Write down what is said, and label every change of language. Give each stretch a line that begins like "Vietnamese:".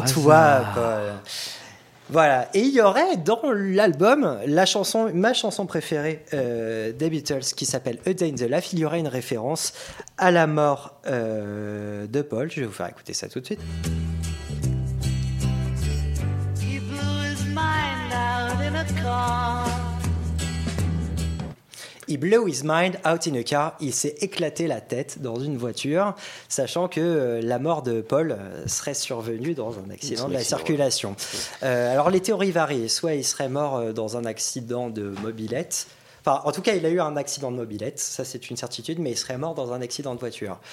French: par toi, hasard. Paul. Voilà, et il y aurait dans l'album ma chanson préférée des Beatles qui s'appelle
English: A Day in the Life,
French: il y aurait une référence à la mort de Paul. Je vais vous faire écouter ça tout de suite.
English: He blew his mind out in a car. He blew his mind out in a car.
French: Il s'est éclaté la tête dans une voiture, sachant que la mort de Paul serait survenue dans un accident de la circulation. Ouais. Alors, les théories varient. Soit il serait mort dans un accident de mobylette. Enfin, en tout cas, il a eu un accident de mobylette. Ça, c'est une certitude. Mais il serait mort dans un accident de voiture.